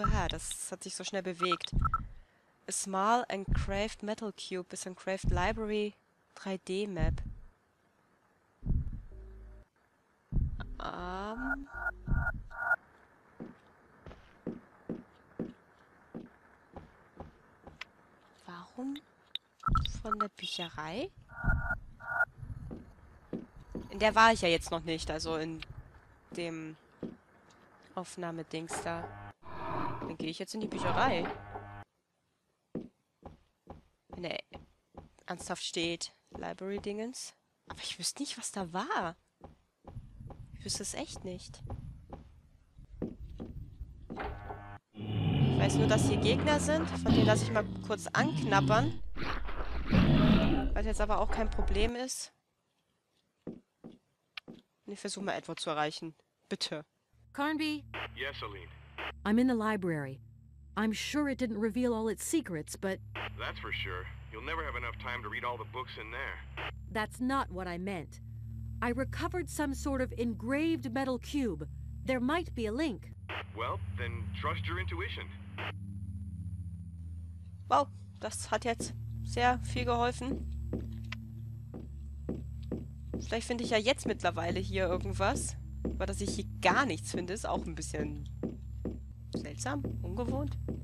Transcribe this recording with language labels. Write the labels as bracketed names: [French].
[German] Das hat sich so schnell bewegt. [English] A small engraved metal cube is engraved library 3D map. [German] Warum? Von der Bücherei? In der war ich ja jetzt noch nicht, also in dem Aufnahmedings da. Dann gehe ich jetzt in die Bücherei. Wenn er ernsthaft steht, Library-Dingens. Aber ich wüsste nicht, was da war. Ich wüsste es echt nicht. Ich weiß nur, dass hier Gegner sind. Von denen lasse ich mal kurz anknabbern. Was jetzt aber auch kein Problem ist. Ich versuche mal, Edward zu erreichen. Bitte. [English] Carnby? Yes, Aline? I'm in the library. I'm sure it didn't reveal all its secrets, but... That's for sure. You'll never have enough time to read all the books in there. That's not what I meant. I recovered some sort of engraved metal cube. There might be a link. Well, then trust your intuition. [German] Wow, das hat jetzt sehr viel geholfen. Vielleicht finde ich ja jetzt mittlerweile hier irgendwas. Aber dass ich hier gar nichts finde, ist auch ein bisschen seltsam, ungewohnt.